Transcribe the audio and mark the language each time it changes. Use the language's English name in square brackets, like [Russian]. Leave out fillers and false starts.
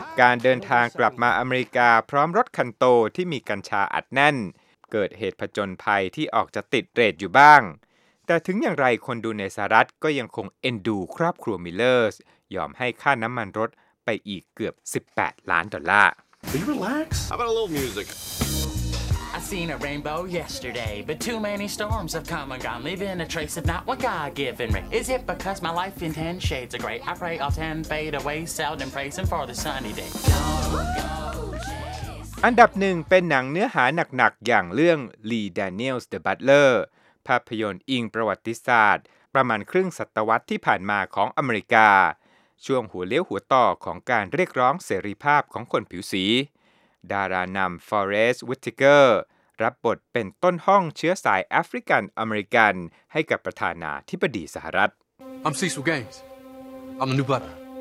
[Thai] การเดินทางกลับมาอเมริกาพร้อมรถคันโตที่มีกัญชาอัดแน่นเกิดเหตุผจญภัยที่ออกจะติดเรทอยู่บ้างแต่ถึงอย่างไรคนดูในสหรัฐก็ยังคงเอ็นดูครอบครัวมิลเลอร์สยอมให้ค่าน้ำมันรถไปอีกเกือบ18ล้านดอลลาร์ [English] Will you relax? How about a little music? I seen a rainbow yesterday, but too many storms have come and gone, leaving a trace of not what God given me. Is it because my life in 10 shades of gray? I pray all 10 fade away, seldom praising for the sunny day. [Thai] อันดับ1เป็นหนังเนื้อหาหนักๆอย่างเรื่อง Lee Daniels The Butler ภาพยนตร์อิงประวัติศาสตร์ประมาณครึ่งศตวรรษที่ผ่านมาของอเมริกาช่วงหัวเลี้ยวหัวต่อของการเรียกร้องเสรีภาพของคนผิวสีดารานำฟอเรสต์วิทิเกอร์รับบทเป็นต้นห้องเชื้อสายแอฟริกันอเมริกันให้กับประธานาธิบดีสหรัฐ [English] I'm Cecil Gaines. I'm the new butler.